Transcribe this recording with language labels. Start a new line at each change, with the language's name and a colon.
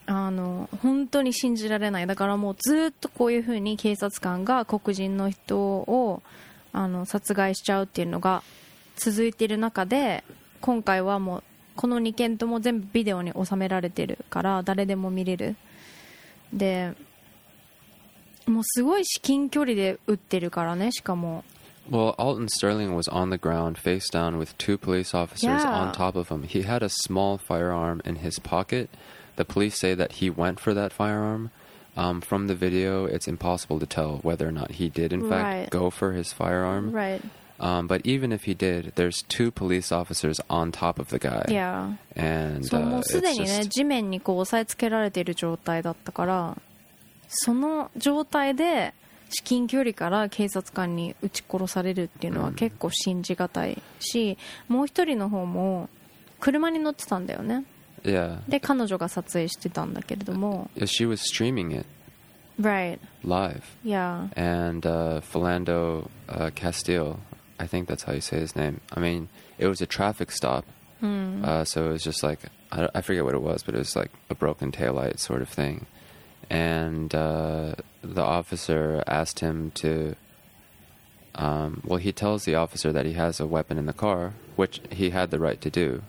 Japanese: 本当に信じられない。だからもうずっとこういう風に警察官が黒人の人を殺害しちゃうっていうのが続いている中で、今回はもうこの2件とも全部ビデオに収められてるから誰でも見れる。でもうすごい至近距離で撃ってるからね。しかも
English: Well, Alton Sterling was on the ground face down with two police officers、yeah. on top of him. He had a small firearm in his pocket. The police say that he went for that firearm. From the video, it's impossible to tell whether or not he did, in fact, go for his firearm. Right. But even if he did, there's two police officers on top of the guy. Yeah. And
Japanese: so, もうすでにね、地面にこう押さえつけられている状態だったから、その状態で至近距離から警察官に撃ち殺されるっていうのは結構信じがたいし、もう一人の方も車に乗ってたんだよね。
English: Yeah.
Japanese: で彼女が撮影してたんだけれども、
English: She was streaming it, right? Live. Yeah. And Philando Castile, I think that's how you say his name. I mean, it was a traffic stop, so it was just like I forget what it was, but it was like a broken taillight sort of thing. And the officer asked him to, he tells the officer that he has a weapon in the car, which he had the right to do.